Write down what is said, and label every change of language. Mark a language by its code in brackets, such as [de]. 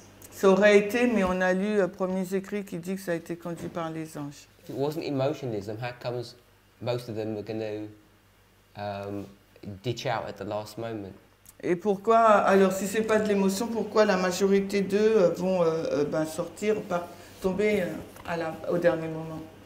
[fr] Ça aurait été, mais on a lu premiers écrits qui dit que ça a été conduit par les anges. [en] If it wasn't emotionalism, how comes most of them were going to ditch out at the last moment? [fr] Et pourquoi, alors si ce n'est pas de l'émotion, pourquoi la majorité d'eux vont sortir, tomber au dernier moment?